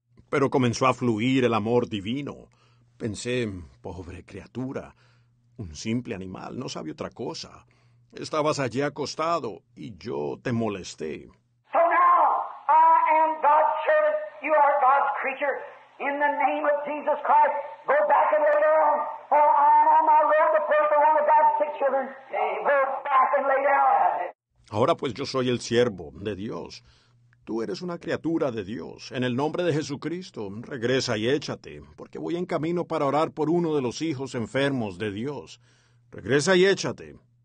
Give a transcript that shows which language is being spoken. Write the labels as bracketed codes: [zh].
[es] Pero comenzó a fluir el amor divino. Pensé, pobre criatura, un simple animal, no sabe otra cosa. Estabas allí acostado, y yo te molesté. [en] So now, I am God's servant. You are God's creature. In the name of Jesus Christ, go back and lay down. For I am on my road to pray for one of God's sick children. Go back and lay down. [es] Ahora pues yo soy el siervo de Dios. Tú eres una criatura de Dios. En el nombre de Jesucristo, regresa y échate, porque voy en camino para orar por uno de los hijos enfermos de Dios. Regresa y échate.